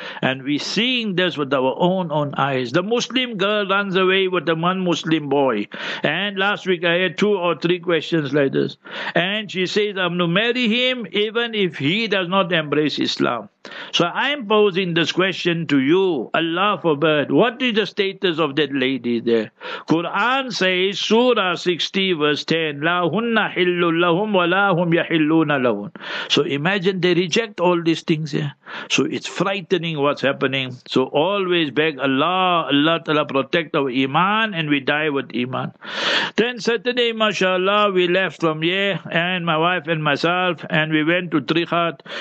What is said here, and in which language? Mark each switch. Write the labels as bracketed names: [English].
[English] And we seeing this with our own eyes. The Muslim girl runs away with a non-Muslim boy. And last week I had two or three questions like this. And she says, I'm going to marry him even if he does not embrace Islam. So I'm posing this question to you, Allah forbid, what is the status of that lady there? Quran says, Surah 60 verse 10, [Arabic] لَا هُنَّ حِلُّ لَهُمْ وَلَا هُمْ يَحِلُّونَ لَهُمْ. [English] So imagine they reject all these things here. So it's frightening what's happening. So always beg Allah, Allah Ta'ala protect our iman, and we die with iman. Then Saturday, mashallah, we left from here, and my wife and myself, and we went to Trichardt.